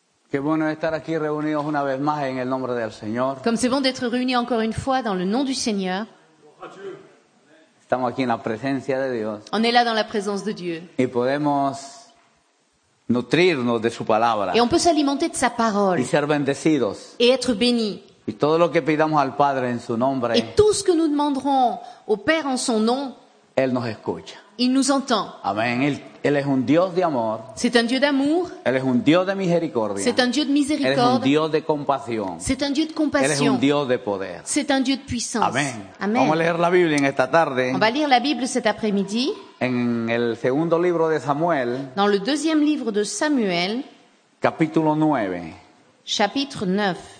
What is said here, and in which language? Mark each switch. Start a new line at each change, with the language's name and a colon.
Spanish: Qué bueno estar aquí reunidos una vez más en el nombre del Señor.
French: Comme c'est bon d'être réunis encore une fois dans le nom du Seigneur.
Spanish: Estamos aquí en la presencia de Dios.
French: On est là dans la présence de Dieu.
Spanish: Y podemos nutrirnos de su palabra.
French: Et on peut s'alimenter de sa parole.
Spanish: Y ser bendecidos.
French: Et être bénis.
Spanish: Y todo lo que pidamos al Padre en su nombre.
French: Et tout ce que nous demanderons au Père en son nom.
Spanish: Él nos escucha.
French: Il nous entend.
Spanish: Amen. Él es un Dios de amor.
French: C'est un Dieu d'amour.
Spanish: Él es un Dios de misericordia.
French: C'est un Dieu de miséricorde.
Spanish: Él es un Dios de compasión.
French: C'est un Dieu de compassion.
Spanish: Él es un Dios de poder.
French: C'est un Dieu de puissance. Amen. Amen.
Spanish: Vamos a leer la Biblia en esta tarde.
French: On va lire la Bible cet après-midi.
Spanish: En el segundo libro de Samuel.
French: Dans le deuxième livre de Samuel.
Spanish: Capítulo 9.
French: Chapitre 9.